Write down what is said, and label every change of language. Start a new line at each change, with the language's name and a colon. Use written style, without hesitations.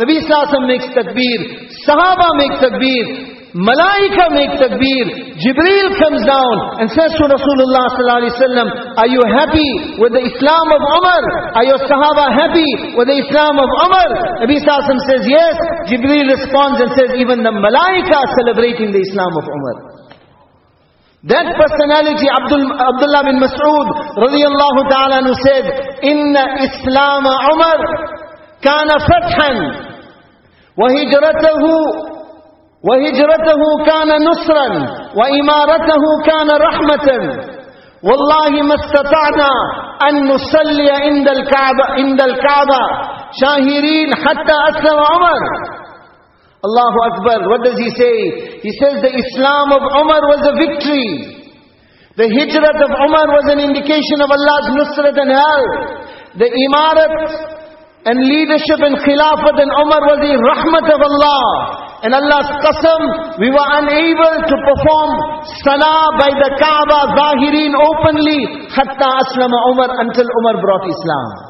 English: Nabi sallallahu alaihi wasallam makes takbir, sahaba makes takbir, Malaika make takbir, Jibreel comes down and says to Rasulullah sallallahu alaihi wasallam, are you happy with the Islam of Umar? Are your Sahaba happy with the Islam of Umar? Nabi sallallahu alaihi wasallam says yes. Jibreel responds and says even the Malaika are celebrating the Islam of Umar. That personality, Abdullah bin Mas'ud radiallahu ta'ala who said,
Arabic: inna Islam Umar kana fathan wa hijratahu وهجرته كان نصرا وإمارته كان رحمة والله ما استطعنا أن نصلي عند الكعبة شاهرين حتى أسلم عمر. الله أكبر.
English: What does he say? He says the Islam of Umar was a victory. The hijrat of Umar was an indication of Allah's nusrat and help. The imarat and leadership and khilafat and Umar was the rahmat of Allah. And Allah's qasam, we were unable to perform salah by the Kaaba, zahirin, openly,
Arabic: hatta aslama Umar,
English: until Umar brought Islam.